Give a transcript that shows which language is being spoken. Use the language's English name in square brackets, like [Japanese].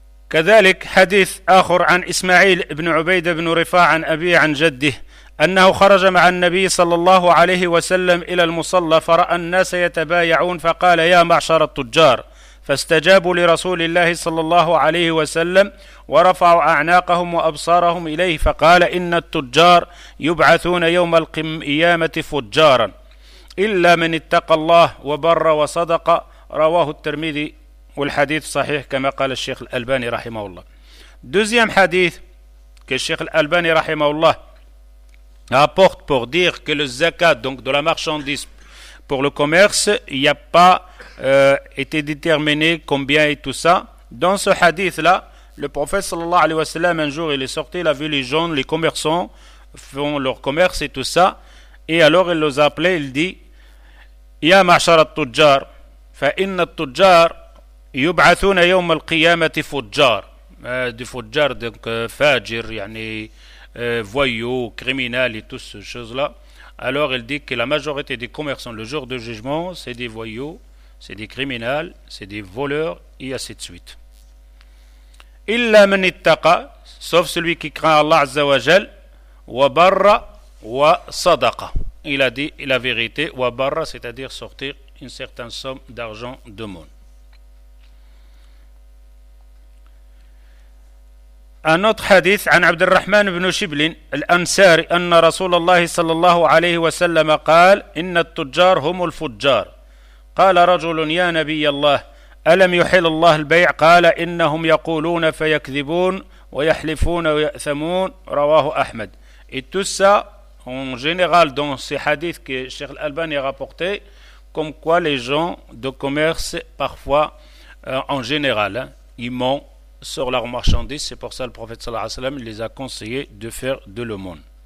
[Arabic] كذلك حديث آخر عن إسماعيل بن عبيد بن رفاع عن أبيه عن جده أنه خرج مع النبي صلى الله عليه وسلم إلى المصلى فرأى الناس يتبايعون فقال يا معشر التجار فاستجابوا لرسول الله صلى الله عليه وسلم ورفعوا أعناقهم وأبصارهم إليه فقال إن التجار يبعثون يوم القيامة فجارا إلا من اتقى الله وبر وصدق رواه الترمذي. [French] Ou le hadith sahih, comme a dit le Cheikh Al-Albani, rahimahullah. Deuxième hadith que le Cheikh Al-Albani, rahimahullah, apporte pour dire que le zakat, donc de la marchandise pour le commerce, il n'y a pas été déterminé combien et tout ça. Dans ce hadith-là, le prophète, sallallahu alayhi wa sallam, un jour, il est sorti, il a vu les gens, les commerçants font leur commerce et tout ça. Et alors, il les a appelés, il dit, « [Arabic] Ya ma'ashara al-tujjar, fa inna al-tujjar » يبعثون يوم القيامة فجار دي فجار دونك فاجر يعني [French] voyou criminel et toutes ces choses là. Alors il dit que la majorité des commerçants le jour du jugement c'est des voyous, c'est des criminels, c'est des voleurs et ainsi de suite. [Arabic] إلا من اتقى, [French] sauf celui qui craint Allah عز وجل, [Arabic] وبر وصدق, [French] il a dit la vérité, وبر, c'est-à-dire sortir une certaine somme d'argent de monde. Un autre hadith, [Arabic] عن عبد الرحمن بن شبل الأنصاري أن رسول الله صلى الله عليه وسلم قال إن التجار هم الفجار. قال رجل يا نبي الله ألم يحل الله البيع؟ قال إنهم يقولون فيكذبون ويحلفون ويأثمون رواه أحمد. [French] Et tout ça, en général, dans ces hadiths que Cheikh Al-Albani a rapporté, comme quoi les gens de commerce, parfois, en général, ils mentent sur leur marchandise, c'est pour ça que le prophète sallallahu alayhi wa sallam les a conseillés de faire de l'aumône.